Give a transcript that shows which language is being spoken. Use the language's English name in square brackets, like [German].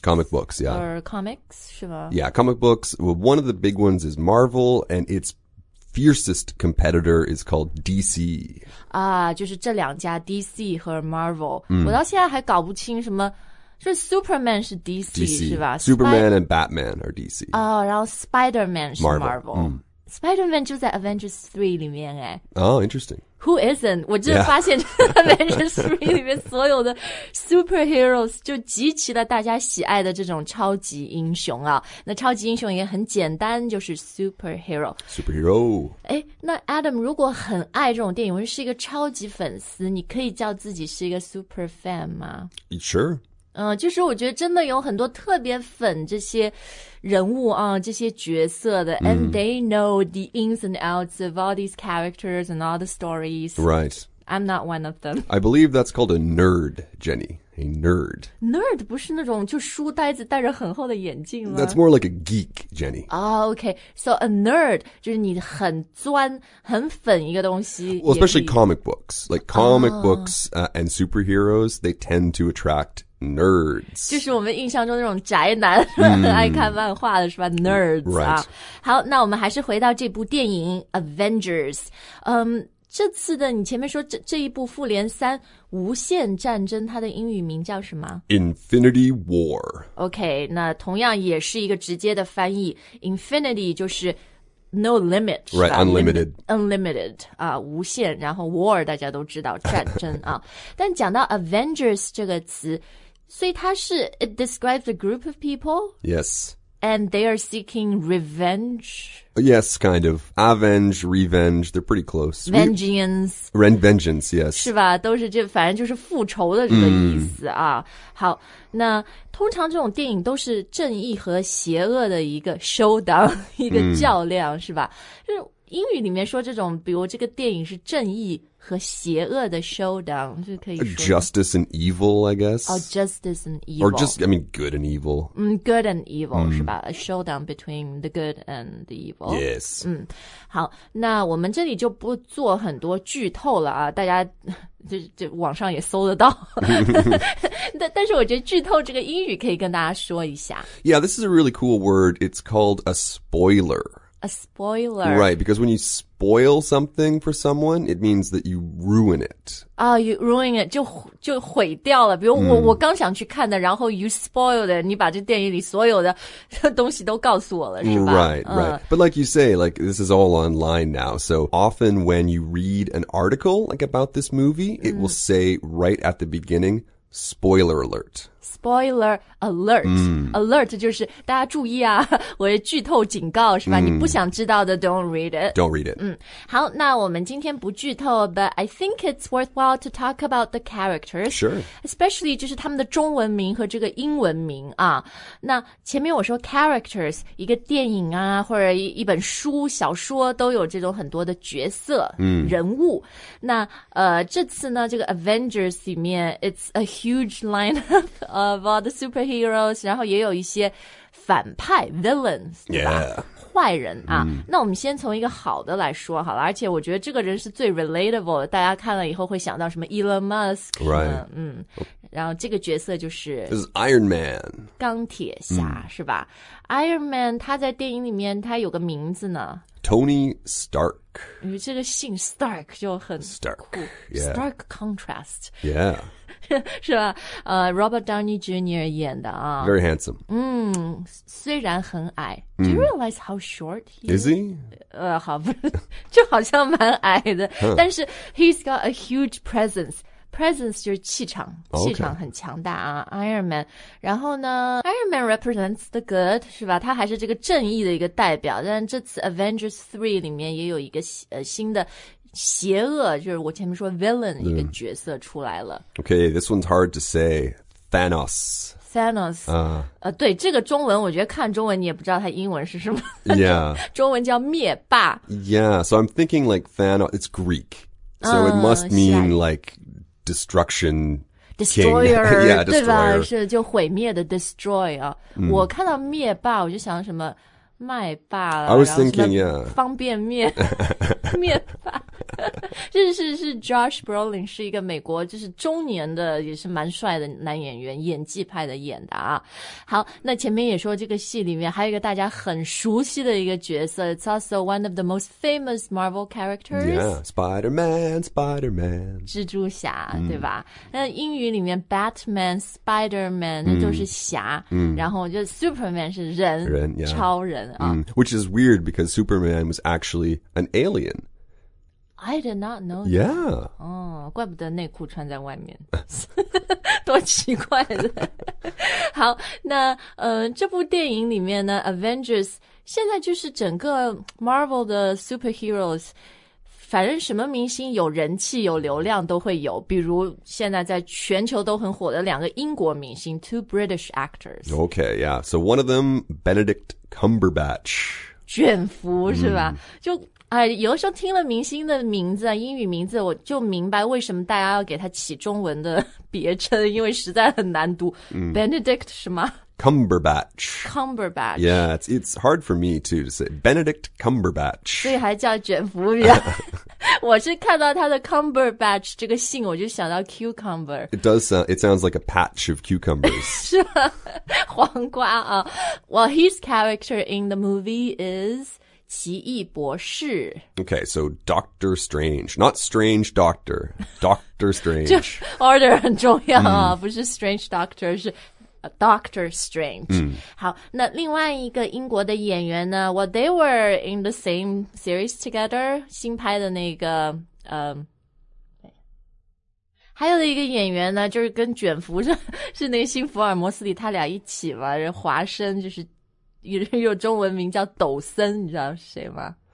[English] Comic books, yeah. Or comics, [Chinese] 是吧 [English] Yeah, comic books. Well, one of the big ones is Marvel, and its fiercest competitor is called DC. [Chinese] 啊、就是这两家 DC 和 Marvel.、我到现在还搞不清什么是 Superman 是 DC, [English] DC [Chinese] 是吧 [English] Superman and Batman are DC.、 [Chinese] 然后 Spider-Man 是 Marvel.、Spider-Man 就在 Avengers 3里面哎。 [English] Oh, interesting. Who isn't? [Chinese] 我就发现、 [English] yeah. [Chinese] Avengers 3里面所有的 superheroes 就集齐了大家喜爱的这种超级英雄啊。那超级英雄也很简单，就是 superhero. [English] Superhero. [Chinese] 诶，那 Adam 如果很爱这种电影，是一个超级粉丝，你可以叫自己是一个 super fan 吗 [English] ？Sure. [Chinese] 就是我觉得真的有很多特别粉这些人物啊，这些角色的、 [English] And they know the ins and outs of all these characters and all the stories. Right. I'm not one of them. I believe that's called a nerd, Jenny. A nerd. [Chinese] Nerd 不是那种就书呆子戴着很厚的眼镜吗 [English] That's more like a geek, Jenny. Oh, okay. So a nerd [Chinese] 就是你很钻很粉一个东西 [English] Well, especially comic books. Like comic、books and superheroes, they tend to attractNerds. [Chinese] 就是我们印象中那种宅男、很爱看漫画的是吧 ?Nerds.、 [English] Right. [Chinese] 啊、好那我们还是回到这部电影 Avengers.、这次的你前面说 这一部复联三无限战争它的英语名叫什么 [English] ?Infinity War. [Chinese] OK, 那同样也是一个直接的翻译。 Infinity 就是 No Limit. [English] Right, Unlimited. Unlimited. [Chinese] 啊无限然后 War 大家都知道战争啊。但讲到 Avengers 这个词所以它是 [English] It describes a group of people? Yes. And they are seeking revenge? Yes, kind of. Avenge, revenge, they're pretty close. Vengeance. Vengeance, yes. [Chinese] 是吧都是这反正就是复仇的这个意思啊。好那通常这种电影都是正义和邪恶的一个 showdown, 一个较量是吧就是英语里面说这种，比如这个电影是正义和邪恶的 showdown, 是可以说 [English] justice and evil, I guess. Oh, justice and evil. Or just, I mean, good and evil. Good and evil,、 [Chinese] 是吧 [English] ?A showdown between the good and the evil. Yes. [Chinese] 好，那我们这里就不做很多剧透了啊，大家就网上也搜得到。但是我觉得剧透这个英语可以跟大家说一下。 [English] Yeah, this is a really cool word. It's called a spoiler. A spoiler. Right, because when you spoil something for someone, it means that you ruin it. Oh, you ruin it, [Chinese] 就毁掉了。比如我刚想去看的，然后 [English] you spoiled it, [Chinese] 你把这电影里所有的东西都告诉我了，是吧？ [English] Right, right. But like you say, like, this is all online now, so often when you read an article, like, about this movie, it will say right at the beginning, spoiler alert. [Chinese] Spoiler alert,、alert 就是大家注意啊，我是剧透警告是吧、你不想知道的 [English] don't read it. Don't read it.、 [Chinese] 好，那我们今天不剧透 [English] but I think it's worthwhile to talk about the characters. Sure. [Chinese] Especially 就是他们的中文名和这个英文名啊。那前面我说 characters, 一个电影啊或者一本书小说都有这种很多的角色、人物。那这次呢这个 Avengers 里面 [English] it's a huge lineup. Of all the superheroes, [Chinese] 然后也有一些反派 villains, 对吧、坏人啊。那我们先从一个好的来说好了，而且我觉得这个人是最 relatable 的，大家看了以后会想到什么 Elon Musk, [English] right? [Chinese] 然后这个角色就是 [English] This is Iron Man, [Chinese] 钢铁侠、是吧 ？Iron Man 他在电影里面他有个名字呢 [English] ，Tony Stark。 [Chinese] 因为这个姓 Stark 就很 [English] Stark,、 Stark contrast, yeah. [Chinese] 是吧Robert Downey Jr. 演的啊。 [English] Very handsome. [Chinese] 虽然很矮。 [English] Do you realize how short he is? Is he? [Chinese] 好不就好像蛮矮的。Huh. 但是 [English] he's got a huge presence. [Chinese] Presence 就是气场。 [English] Okay. [Chinese] 气场很强大啊 ,Iron Man. 然后呢 , [English] Iron Man represents the good, [Chinese] 是吧他还是这个正义的一个代表。但这次 Avengers 3 里面也有一个新的邪恶就是我前面说 villain 一个角色出来了。 [English] Okay, this one's hard to say. Thanos. Thanos. [Chinese] 对这个中文我觉得看中文你也不知道它英文是什么。 [English] Yeah. [Chinese] 中文叫灭霸。 [English] Yeah, so I'm thinking like Thanos, it's Greek. So it must mean like destruction Destroyer. yeah, destroyer. [Chinese] 对吧是就毁灭的 destroy 啊。我看到灭霸我就想什么。麦霸了 [English] I was thinking, yeah. [Chinese] 方便面面霸是 Josh Brolin 是一个美国就是中年的也是蛮帅的男演员演技派的演的啊。好那前面也说这个戏里面还有一个大家很熟悉的一个角色 [English] It's also one of the most famous Marvel characters. Yeah, Spider-Man, Spider-Man. [Chinese] 蜘蛛侠、对吧那英语里面 Batman, Spider-Man, 那就是侠、然后就 Superman 是人 [English] yeah. [Chinese] 超人。 [English] Which is weird because Superman was actually an alien. I did not know that. Yeah. [Chinese] 怪不得内裤穿在外面。多奇怪的。好那这部电影里面呢 Avengers, 现在就是整个 Marvel 的 superheroes, 反正什么明星有人气有流量都会有比如现在在全球都很火的两个英国明星 [English] two British actors. Okay, yeah. So one of them, Benedict Cumberbatch. [Chinese] 卷福是吧、就有的时候听了明星的名字啊英语名字我就明白为什么大家要给他起中文的别称因为实在很难读。 Benedict 是吗 [English] Cumberbatch. Cumberbatch. Yeah, it's hard for me too to say. Benedict Cumberbatch. [Chinese] 所以还叫卷福比较。我是看到他的 Cumberbatch 这个姓我就想到 cucumber. [English] It sounds like a patch of cucumbers. [Chinese] 是吧黄瓜啊。 [English] Well, his character in the movie is 奇异博士。 Okay, so Doctor Strange. Not Strange Doctor. Doctor Strange. [Chinese] 就 order 很重要啊、不是 Strange Doctor, 是 Doctor Strange.、好那另外一个英国的演员呢 [English] well, they were in the same series together, [Chinese] 新拍的那个还有一个演员呢就是跟卷福是那个新福尔摩斯里他俩一起嘛华生就是有中文名叫抖森你知道是谁吗